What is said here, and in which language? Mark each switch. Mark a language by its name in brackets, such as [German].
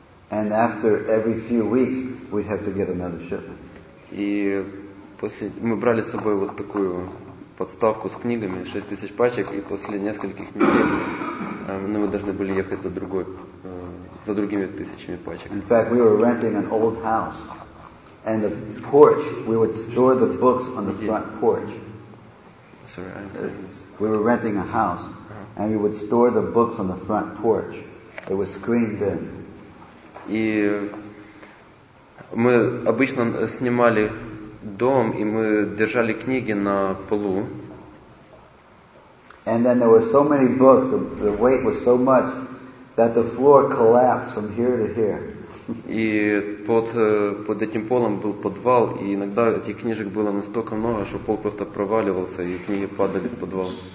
[English] And after every few weeks, we'd have to get another shipment. [Russian] И после мы брали с собой вот такую подставку с книгами, 6000 пачек, и после нескольких недель мы должны были ехать за другими тысячами пачек. [English] In fact, we were renting an old house. And the porch, we would store the books on the front porch. Sorry, we were renting a house, and we would store the books on the front porch. It was screened in. [Russian] И мы обычно снимали дом, и мы держали книги на полу. [English] And then there were so many books, the weight was so much that the floor collapsed from here to here. [Russian] И под этим полом был подвал, и иногда этих книжек было настолько много, что пол просто проваливался, и книги падали в подвал.